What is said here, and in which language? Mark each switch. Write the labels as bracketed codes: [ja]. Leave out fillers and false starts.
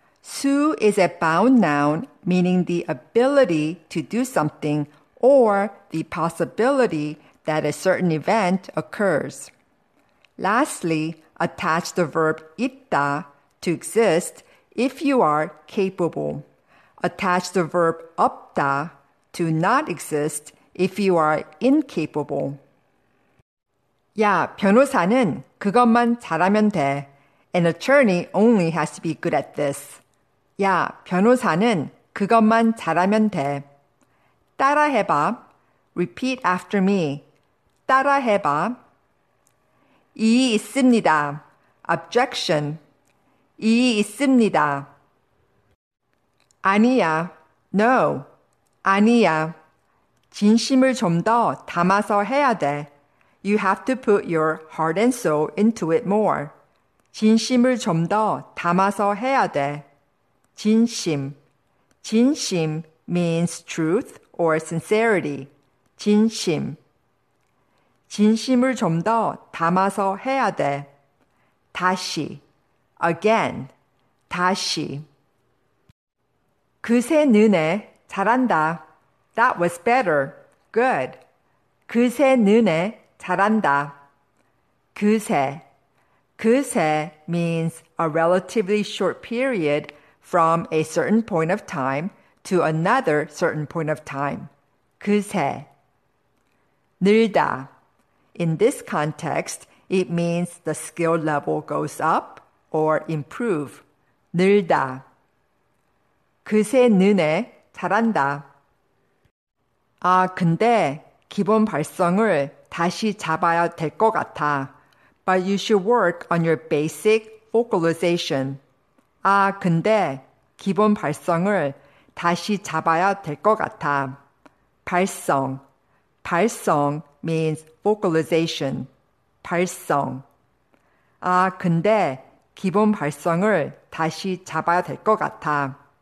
[en] 수 is a bound noun meaning the ability to do something or the possibility that a certain event occurs. Lastly, attach the verb 있다 to exist if you are capable. Attach the verb 없다 to not exist if you are incapable. [ko] 야, 변호사는 그것만 잘하면 돼. [en] An attorney only has to be good at this. [ko] 야, 변호사는 그것만 잘하면 돼. [en] 따라해봐. Repeat after me. 따라해봐. [ko] 이의 있습니다. Objection. 이의 있습니다. 아니야. No. 아니야. 진심을 좀 더 담아서 해야 돼. [en] You have to put your heart and soul into it more. [ko] 진심을 좀 더 담아서 해야 돼. [en] 진심. 진심 means truth or sincerity. 진심. [ko] 진심을 좀 더 담아서 해야 돼. 다시. Again. 다시. 그새 눈에 잘한다. [en] That was better. Good. [ko] 그새 눈에 잘한다. 그새. [en] 그새 means a relatively short period from a certain point of time to another certain point of time. 그새. 늘다. In this context, it means the skill level goes up or improve. 늘다. [ko] 그새 눈에 잘한다. 아, 근데 기본 발성을 다시 잡아야 될 것 같아. [en] But you should work on your basic vocalization. [ko] 아, 근데 기본 발성을 다시 잡아야 될 것 같아. 발성. 발성 [en] means vocalization. [ko] 발성. 아, 근데 기본 발성을 다시 잡아야 될 것 같아.